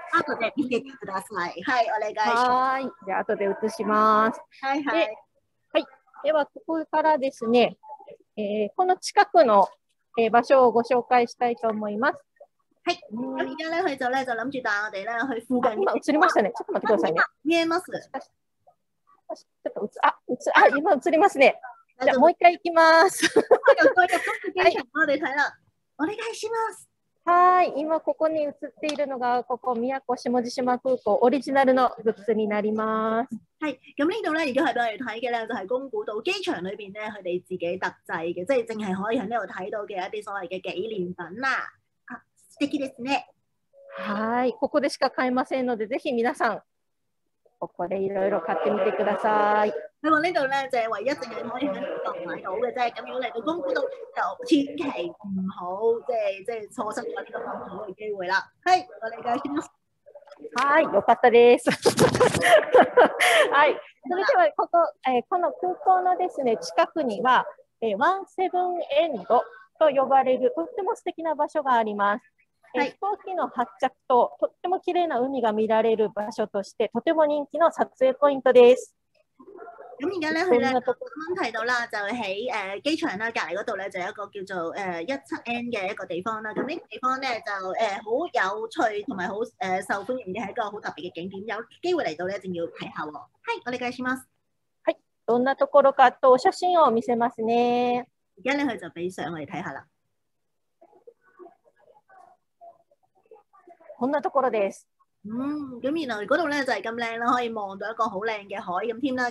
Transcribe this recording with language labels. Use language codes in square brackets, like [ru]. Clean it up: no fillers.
[yue] 啊，多謝你嘅出題，係我哋嘅。 [ja] 係，じゃあ後で映します。はいはい。はい。ではここからですね、この近くの。場所をご紹介したいと思います。はい。 [yue] 咁而家咧，佢就咧就谂住带我哋咧去附近。 [ja] 今映りましたね。ちょっと待ってくださいね。見えます。ちょっと今映りますね。じゃあもう一回行きます。はい。お願いします。はい。今ここに映っているのがここ宮古下地島空港オリジナルのグッズになります。 [yue] 係，咁呢度咧，而家係俾我哋睇嘅咧，就係宮古島機場裏邊咧，佢哋自己特製嘅，即係淨係可以喺呢度睇到嘅一啲所謂嘅紀念品啦。 [ja] 啊，素敵ですね。はい，ここでしか買えませんので、ぜひ皆さんここでいろいろ買ってみてください。 [yue] 佢話呢度咧就係唯一淨係可以喺呢度買到嘅啫，咁如果嚟到宮古島就千祈唔好即係錯失咗呢個咁好嘅機會啦。係，我哋繼續。 [ja] はい、よかったです。はい、それでは この空港のですね、近くには、ワンセブンエンドと呼ばれるとっても素敵な場所があります。はい、飛行機の発着ととっても綺麗な海が見られる場所としてとても人気の撮影ポイントです。 [yue] 咁而家咧，佢咧啱啱提到啦，就喺機場啦隔離嗰度咧，就有一個叫做17N 嘅一個地方啦。咁呢個地方咧就好有趣同埋好受歡迎嘅，係一個好特別嘅景點。有機會嚟到咧，一定要睇下喎。 [ja] はい、お願いします。はい、どんなところかと写真を見せますね。 [yue] 而家咧，佢就俾相我哋睇下啦。 [ja] こんなところです。 [yue] 咁原來嗰度咧就係咁靚啦，可以望到一個好靚嘅海咁添啦。